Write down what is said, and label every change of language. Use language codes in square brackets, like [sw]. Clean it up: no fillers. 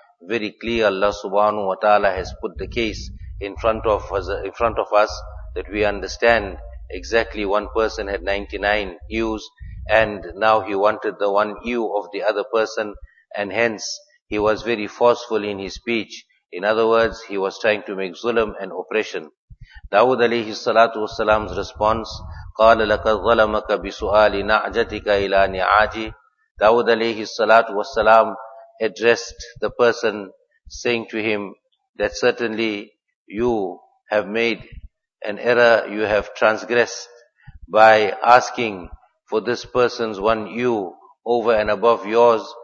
[en] Very clear, Allah subhanahu wa ta'ala has put the case in front of us that we understand exactly one person had 99 ewes and now he wanted the one ewe of the other person, and hence he was very forceful in his speech. In other words, he was trying to make zulm and oppression. Dawud alayhi salatu wassalam's response, [ar] قَالَ لَكَ ظَلَمَكَ بِسُؤَالِ نَعْجَتِكَ إِلَى نِعَاجِ. [en] Dawud alayhi salatu wassalam addressed the person, saying to him that certainly you have made an error, you have transgressed by asking for this person's one ewe over and above yours.